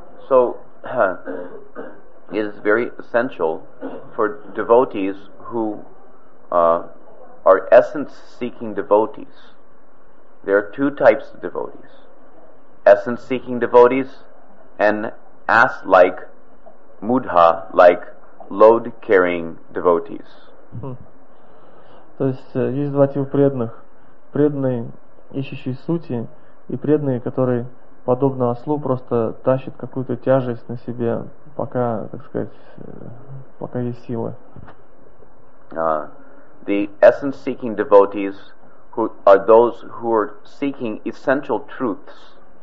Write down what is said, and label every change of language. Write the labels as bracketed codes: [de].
[en] So it is very essential for devotees who are essence-seeking devotees. There are two types of devotees: essence-seeking devotees and ass-like, mudha-like, load-carrying devotees. [ru] То есть есть два типа преданных: преданные, ищущие сути, и преданные, которые подобно ослу просто тащат какую-то тяжесть на себе, пока, так сказать, пока есть силы. [en] The essence-seeking devotees who are those who are seeking essential truths.